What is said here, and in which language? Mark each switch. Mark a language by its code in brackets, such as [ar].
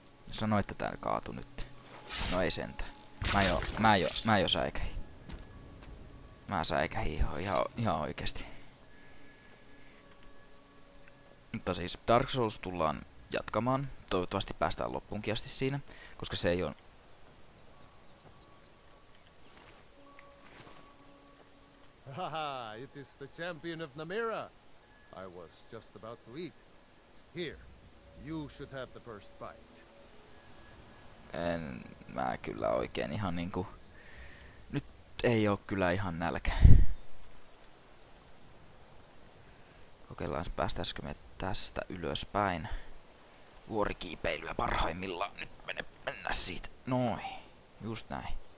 [fi] Sanoit, että täällä kaatu nyt. No ei sentään. Mä säikähin. Mä säikähin ihan oikeesti. Mutta siis Dark Souls tullaan jatkamaan. Toivottavasti päästään loppuunkin asti siinä, koska se ei oo... [en] Haha, it is the champion of Namira. I was just about to eat. Here, you should have the first bite. [fi] En mä kyllä oikein ihan niinku... Nyt ei oo kyllä ihan nälkä. Kokeillaan, päästäisikö me tästä ylöspäin. Vuorikiipeilyä parhaimmillaan. Nyt mennä siitä. Noin. Just näin.